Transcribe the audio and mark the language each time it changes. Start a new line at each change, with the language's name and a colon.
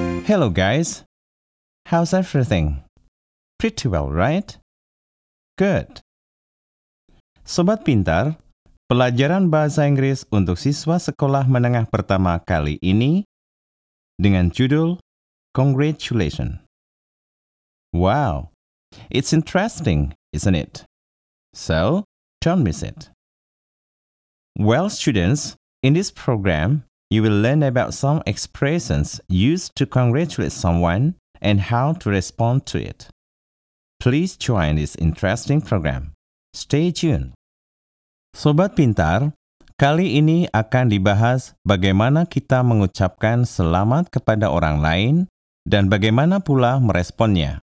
English: Hello guys, how's everything? Pretty well, right? Good.
Indonesian: Sobat Pintar, pelajaran bahasa Inggris untuk siswa sekolah menengah pertama kali ini dengan judul Congratulations.
English: Wow, it's interesting, isn't it? So, don't miss it. Well, students, in this program, you will learn about some expressions used to congratulate someone and how to respond to it. Please join this interesting program. Stay tuned.
Indonesian: Sobat Pintar, kali ini akan dibahas bagaimana kita mengucapkan selamat kepada orang lain dan bagaimana pula meresponnya.